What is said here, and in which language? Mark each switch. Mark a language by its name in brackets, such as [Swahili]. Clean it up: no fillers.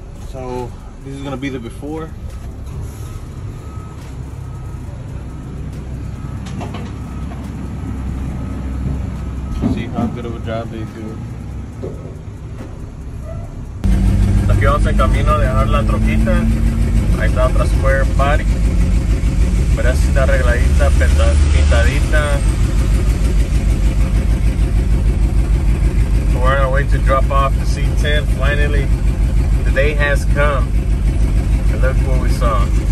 [English] So this is gonna be the before. See how good of a job they do. [Spanish] Aquí vamos en camino a dejar la troquita. Ahí está otra square body, pero esa está arregladita, pintadita. [English] We're on our way to drop off the C10, finally. The day has come, and look what we saw.